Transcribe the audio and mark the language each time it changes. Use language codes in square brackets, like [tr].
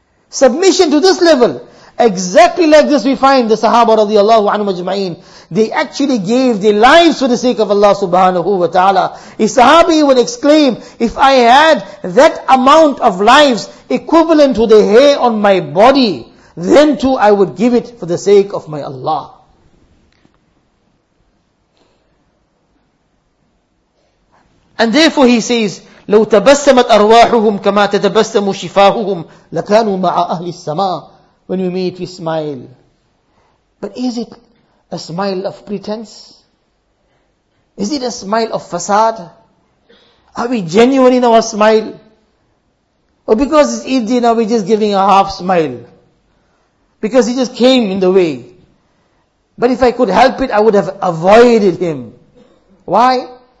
[en] Submission to this level, exactly like this we find the Sahaba radiallahu anhu majma'in, they actually gave their lives for the sake of Allah subhanahu wa ta'ala. A Sahabi would exclaim, if I had that amount of lives equivalent to the hair on my body, then too I would give it for the sake of my Allah. [ar] And therefore he says, لَوْ تَبَسَّمَتْ أَرْوَاحُهُمْ كَمَا تَتَبَسَّمُ شِفَاهُهُمْ لَكَانُوا مَعَ أَهْلِ السَّمَاءِ. [en] When we meet, we smile. But is it a smile of pretense? Is it a smile of facade? Are we genuine in our smile? Or because it's easy now, we're just giving a half smile. Because he just came in the way. But if I could help it, I would have avoided him. Why?